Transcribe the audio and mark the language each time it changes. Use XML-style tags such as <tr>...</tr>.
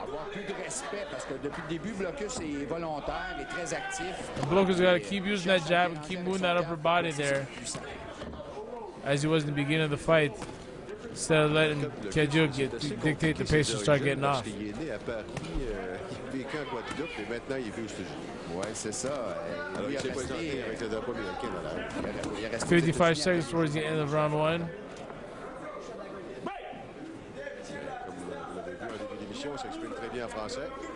<fr>plus de respect parce que depuis le début, Blocus est volontaire et très actif.</fr> <en>Blocus got to keep using that jab and keep moving that upper body there, as he was in the beginning of the fight. Instead of letting Cadieux dictate the pace and start getting off.</en> <fr>Il est né à Paris, il vécu en Guadeloupe, mais maintenant il vit aux États-Unis. Ouais, c'est ça. Alors, il s'est présenté avec le drapeau américain dans la rue.</fr> <en>55 seconds towards the end of round one.</en> <fr>Comme vous l'avez vu en début d'émission, on s'exprime très bien en français.</fr>